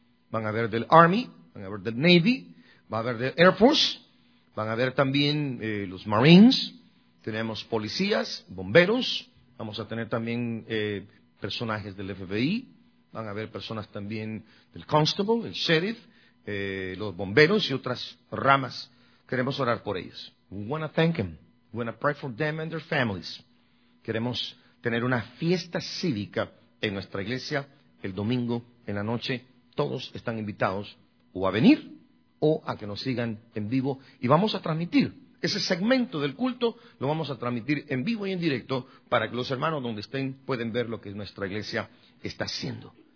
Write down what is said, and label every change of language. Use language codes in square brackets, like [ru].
[es] Van a ver del Army, van a ver del Navy, van a ver del Air Force, van a ver también los Marines, tenemos policías, bomberos, vamos a tener también personajes del FBI, van a ver personas también del Constable, el Sheriff, los bomberos y otras ramas. Queremos orar por ellos. [en] We want to thank them. We want to pray for them and their families. [es] Queremos tener una fiesta cívica en nuestra iglesia el domingo en la noche. Todos están invitados o a venir o a que nos sigan en vivo. Y vamos a transmitir ese segmento del culto, lo vamos a transmitir en vivo y en directo para que los hermanos donde estén puedan ver lo que nuestra iglesia está haciendo.